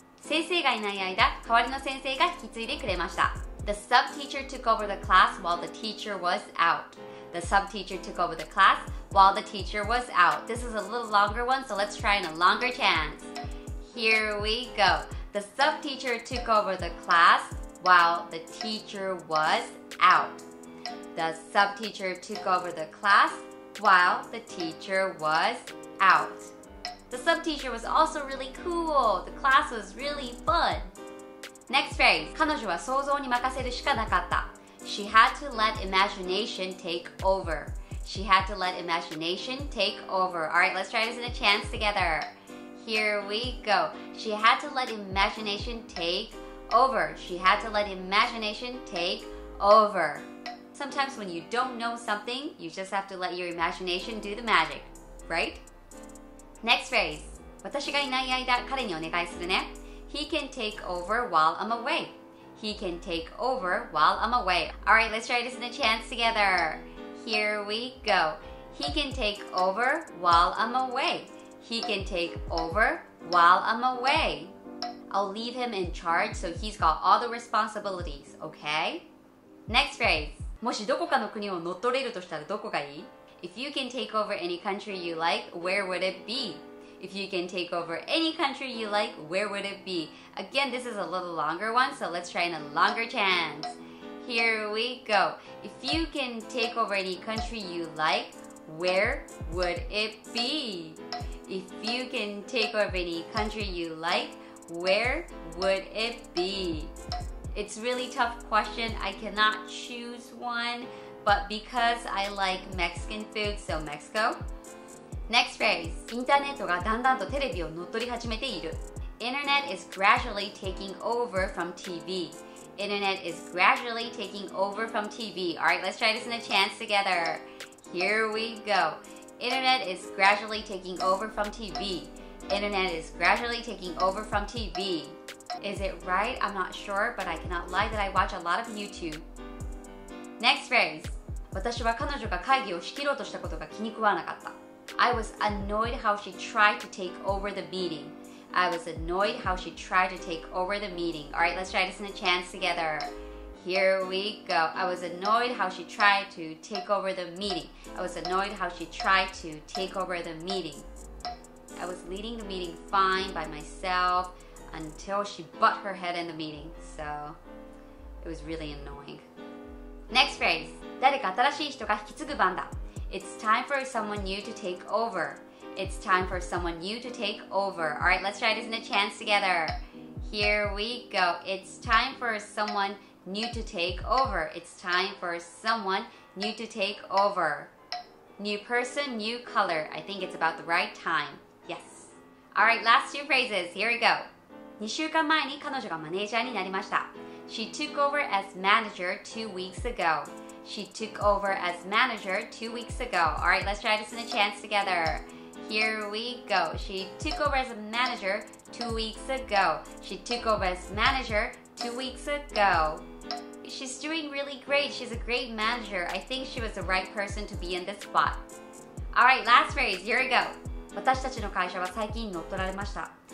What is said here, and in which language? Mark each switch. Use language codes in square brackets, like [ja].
[ja] 先生がいない間、代わりの先生が引き継いでくれました。 [en] The sub-teacher took over the class while the teacher was out. The sub-teacher took over the class while the teacher was out. This is a little longer one, so let's try in a longer chance. Here we go. The sub-teacher took over the class. While the teacher was out. The sub-teacher took over the class while the teacher was out. The sub-teacher was also really cool. The class was really fun. Next phrase. [ja] 彼女は想像に任せるしかなかった。 [en] She had to let imagination take over. She had to let imagination take over. All right, let's try this in a chance together. Here we go. She had to let imagination take over. Over. She had to let imagination take over. Sometimes when you don't know something, you just have to let your imagination do the magic, right? Next phrase. [ja] 私がいない間、彼にお願いするね。 [en] He can take over while I'm away. He can take over while I'm away. All right, let's try this in a chance together. Here we go. He can take over while I'm away. He can take over while I'm away. I'll leave him in charge so he's got all the responsibilities, okay? Next phrase. [ja] もしどこかの国を乗っ取れるとしたらどこがいい? [en] If you can take over any country you like, where would it be? If you can take over any country you like, where would it be? Again, this is a little longer one, so let's try in a longer chance. Here we go. If you can take over any country you like, where would it be? If you can take over any country you like,Where would it be? It's a really tough question. I cannot choose one, but because I like Mexican food, so Mexico. Next phrase. [ja] インターネットがだんだんとテレビを乗っ取り始めている。 [en] Internet is gradually taking over from TV. Internet is gradually taking over from TV. All right, let's try this in a chance together. Here we go. Internet is gradually taking over from TV. Internet is gradually taking over from TV. Is it right? I'm not sure, but I cannot lie that I watch a lot of YouTube. Next phrase. [ja] 私は彼女が会議を仕切ろうとしたことが気に食わなかった。 [en] I was annoyed how she tried to take over the meeting. I was annoyed how she tried to take over the meeting. All right, let's try this in a chance together. Here we go. I was annoyed how she tried to take over the meeting. I was annoyed how she tried to take over the meeting. I was leading the meeting fine by myself until she butt her head in the meeting. So it was really annoying. Next phrase. [ja] 誰か新しい人が引き継ぐ番だ。 [en] It's time for someone new to take over. It's time for someone new to take over. All right, let's try this in a chance together. Here we go. It's time for someone new to take over. It's time for someone new to take over. New person, new color. I think it's about the right time. Yes. All right, last two phrases. Here we go. [ja] 2週間前に彼女がマネージャーになりました。 [en] She took over as manager 2 weeks ago. She took over as manager 2 weeks ago. All right, let's try this in a chance together. Here we go. She took over as a manager 2 weeks ago. She took over as manager 2 weeks ago. She's doing really great. She's a great manager. I think she was the right person to be in this spot. All right, last phrase. Here we go. [ja] 私たちの会社は最近乗っ取られました。